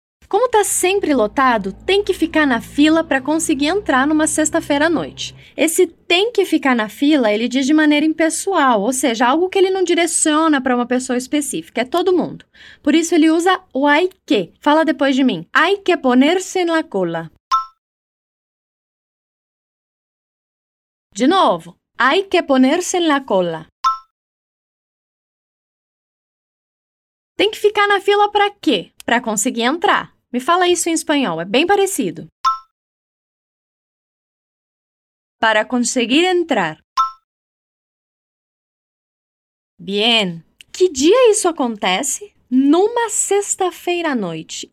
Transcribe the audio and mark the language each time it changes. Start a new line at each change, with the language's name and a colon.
Portuguese: Como está sempre lotado, tem que ficar na fila para conseguir entrar numa sexta-feira à noite. Esse tem que ficar na fila, ele diz de maneira impessoal, ou seja, algo que ele não direciona para uma pessoa específica, é todo mundo. Por isso ele usa o hay que. Fala depois de mim.
Spanish: Hay que ponerse en la cola.
Portuguese: De novo.
Spanish: Hay que ponerse en la cola.
Portuguese: Tem que ficar na fila para quê? Para conseguir entrar. Me fala isso em espanhol, é bem parecido.
Spanish: Para conseguir entrar.
Portuguese: Bien. Que dia isso acontece? Numa sexta-feira à noite.